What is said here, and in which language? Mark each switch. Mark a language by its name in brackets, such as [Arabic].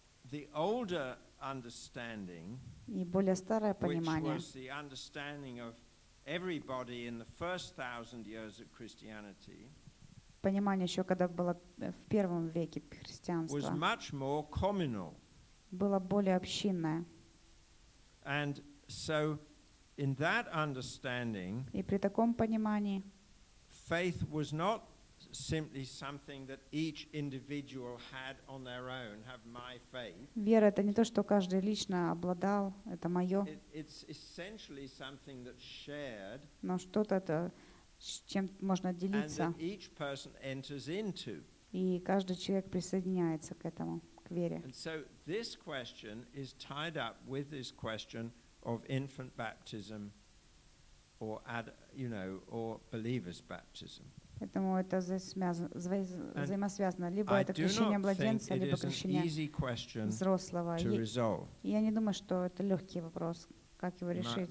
[Russian] И более старое понимание, [English] which was the understanding of everybody in the first thousand years of Christianity, [Russian] понимание еще когда было в первом веке христианства, [English] was much more communal. [Russian] Было более общинное. [English] And so in that understanding, [Russian] и при таком понимании, [English] faith was not simply something that each individual had on their own, have my faith. [Russian] Вера это не то, что каждый лично обладал, это моё. [English] It's essentially something that's shared. [Russian] Но что-то это с чем можно делиться. [English] And that each person enters into. [Russian] И каждый человек присоединяется к этому, к вере. [English] And so this question is tied up with this question of infant baptism or or believer's baptism. [Russian] Поэтому это взаимосвязано. Либо это крещение младенца, либо крещение взрослого. Я не думаю, что это легкий вопрос, как его решить.